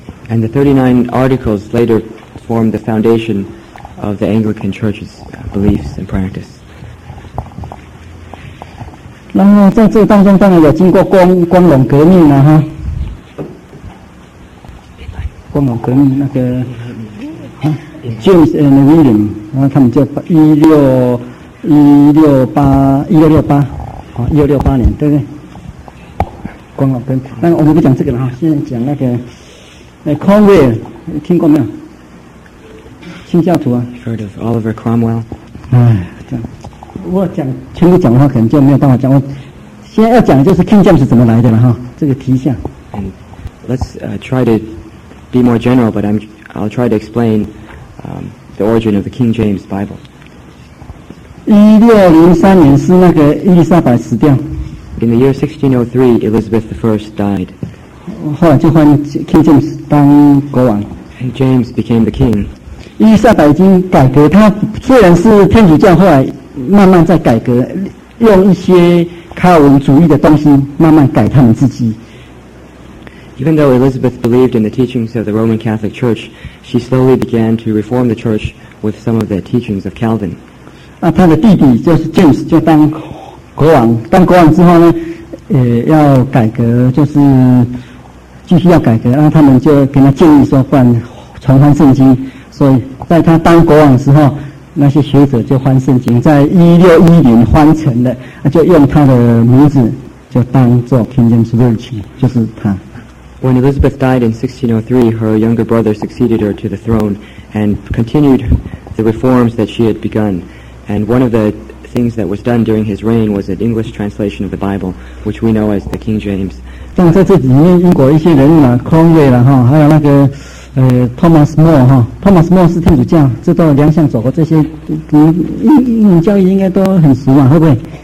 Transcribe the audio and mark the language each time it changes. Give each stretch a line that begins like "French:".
English: And the 39 articles later formed the foundation of the Anglican Church's beliefs and practice.
Chinese: 然后在这当中，当然有经过光荣革命了、哈。光荣革命那个 James and William， 然后他们就16681668年，对不对？光荣革命，那我们不讲这个了哈，现在讲那个Cromwell， 听过没有？清教徒啊。
English: Heard of Oliver Cromwell？
Chinese: 哎，这样。我讲全部讲的话，可能就没有办法讲。我现在要讲的就是 King James 是怎么来的了哈，这个提一下。
English: Let's try to be more general, but I'll try to explain the origin of the King James Bible.
Chinese: 1603年是那个伊丽莎白死掉。
English: In the year 1603, Elizabeth I died.
Chinese: 后来就换 King James 当国王。
English: And James became the king.
Chinese: 伊丽莎白已经改革，她虽然是天主教，后来慢慢在改革，用一些卡尔文主义的东西慢慢改他们自己。
English: Even though Elizabeth believed in the teachings of the Roman Catholic Church, she slowly began to reform the church with some of the teachings of Calvin.
Chinese: 啊，他的弟弟就是 James 就当国王，当国王之后呢，要改革，就是继续要改革，然后他们就给他建议说，不然重翻圣经。所以在他当国王的时候，那些学者就翻圣经，在1611年翻成的，就用他的名字就当做 King James Version， 就是他。
English: When Elizabeth died in 1603, her younger brother succeeded her to the throne and continued the reforms that she had begun. And one of the things that was done during his reign was an English translation of the Bible, which we know as the King James.
Chinese: 像在这里面，英国一些人物啊 ，Cromwell 啦哈，还有那个。 Thomas More 哈 ，Thomas More 是天主教，这都两项走过这些，英语教育应该都很熟嘛，会不会？